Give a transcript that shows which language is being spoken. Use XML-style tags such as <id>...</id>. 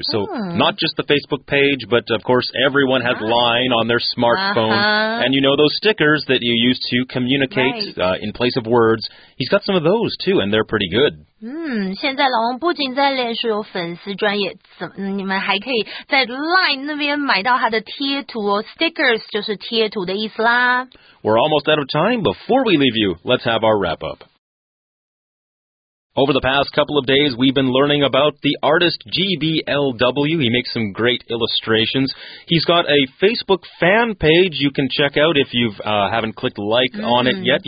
<en>So, not just the Facebook page, but of course, everyone has line on their smartphone. Uh-huh. And you know those stickers that you use to communicate in place of words? He's got some of those too, and they're pretty good.</en> <zh>现在老王不仅在脸书有粉丝专页，你们还可以在 LINE 那边买到他的贴图哦。 Stickers 就是贴图的意思啦。</zh> <en>We're almost out of time. Before we leave you, let's have our wrap up. Over the past couple of days, we've been learning about the artist GBLW. He makes some great illustrations. He's got a Facebook fan page you can check out if you haven't clicked like on it yet.</en>